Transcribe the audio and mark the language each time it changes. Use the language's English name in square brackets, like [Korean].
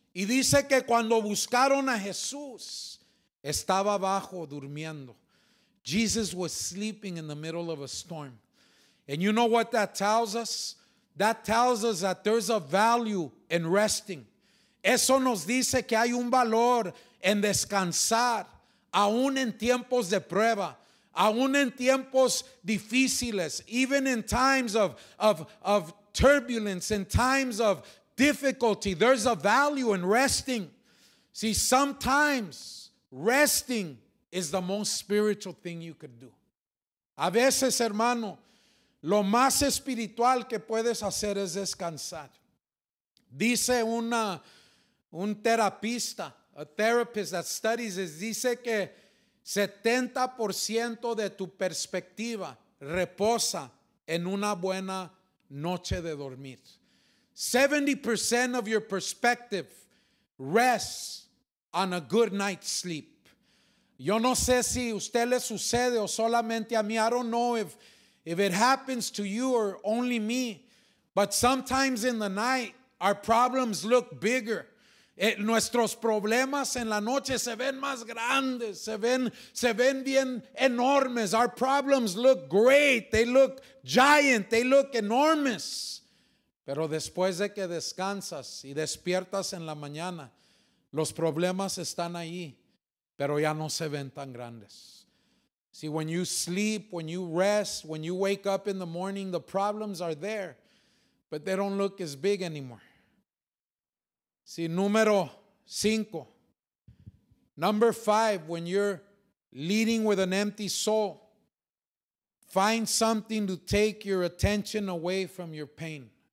[Spanish] Y dice que cuando buscaron a Jesús, estaba abajo durmiendo. [English] Jesus was sleeping in the middle of a storm. And you know what that tells us? That tells us that there's a value in resting. [Spanish] Eso nos dice que hay un valor en descansar, aún en tiempos de prueba, aún en tiempos difíciles, [English] even in times of turbulence, in times of difficulty. There's a value in resting. See, sometimes resting is the most spiritual thing you could do. [Spanish] A veces, hermano, lo más espiritual que puedes hacer es descansar. Dice [English] a therapist that studies this, [Spanish] dice que 70% de tu perspectiva reposa en una buena noche de dormir. [English] 70% of your perspective rests on a good night's sleep. [Spanish] Yo no sé si a usted le sucede o solamente a mí. [English] I don't know if it happens to you or only me, but sometimes in the night, our problems look bigger. [Spanish] Nuestros problemas en la noche se ven más grandes, se ven bien enormes. [English] Our problems look great, they look giant, they look enormous. [Spanish] Pero después de que descansas y despiertas en la mañana, los problemas están ahí, pero ya no se ven tan grandes. [English] See, when you sleep, when you rest, when you wake up in the morning, the problems are there, but they don't look as big anymore. [Spanish] Sí, número cinco. [English] Number five, when you're leading with an empty soul, find something to take your attention away from your pain.